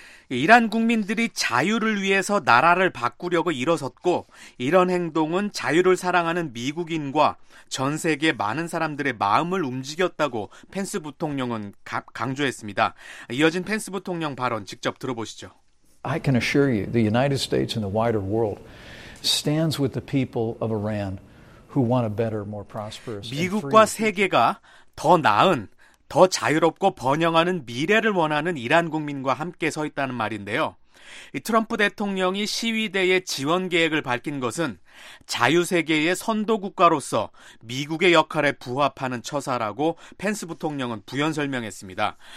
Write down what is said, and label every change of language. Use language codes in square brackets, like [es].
[ko] 이란 국민들이 자유를 위해서 나라를 바꾸려고 일어섰고 이런 행동은 자유를 사랑하는 미국인과 전 세계 많은 사람들의 마음을 움직였다고 펜스 부통령은 강조했습니다. 이어진 펜스 부통령 발언 직접 들어보시죠. [en] I can assure you the United States and the wider world stands with the people of Iran who want a better, more prosperous. [ko] 미국과 세계가 더 나은, 더 자유롭고 번영하는 미래를 원하는 이란 국민과 함께 서 있다는 말인데요. 트럼프 대통령이 시위대의 지원 계획을 밝힌 것은 자유세계의 선도 국가로서 미국의 역할에 부합하는 처사라고 펜스 부통령은 부연 설명했습니다.